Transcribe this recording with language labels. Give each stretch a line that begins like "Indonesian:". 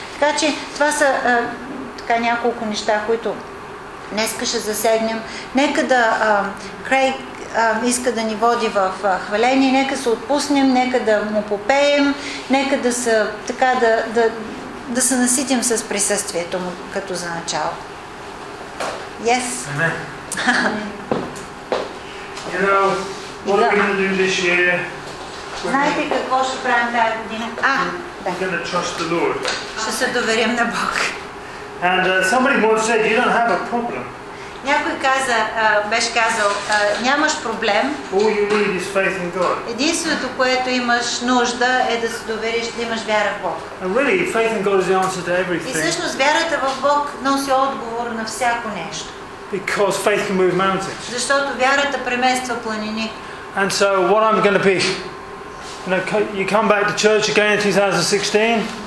Bulgarian: Така че това са така няколко неща, които днеска ще засегнем. Нека да Крейг иска да ни води в хваление, нека се отпуснем, нека да му попеем, нека да се така да се наситим с присъствието му като за начало.
English: Yes.
Bulgarian: Амен.
English: You know, what we're going to do this year?
Bulgarian: Знаете какво ще правим тази година?
English: We're going to trust the Lord.
Bulgarian: Ще се доверим на Бог.
English: And somebody once said you don't have a problem.
Bulgarian: Някой каза, беше казал, нямаш проблем.
English: All you need is faith in God.
Bulgarian: Единственото, което имаш нужда, е да се довериш, да имаш вяра в Бог.
English: And really, faith in God is the answer to everything.
Bulgarian: И всъщност вярата в Бог носи отговор на всяко нещо.
English: Because faith can move mountains.
Bulgarian: Защото вярата премества планини.
English: And so what I'm going to be, you come back to church again in 2016.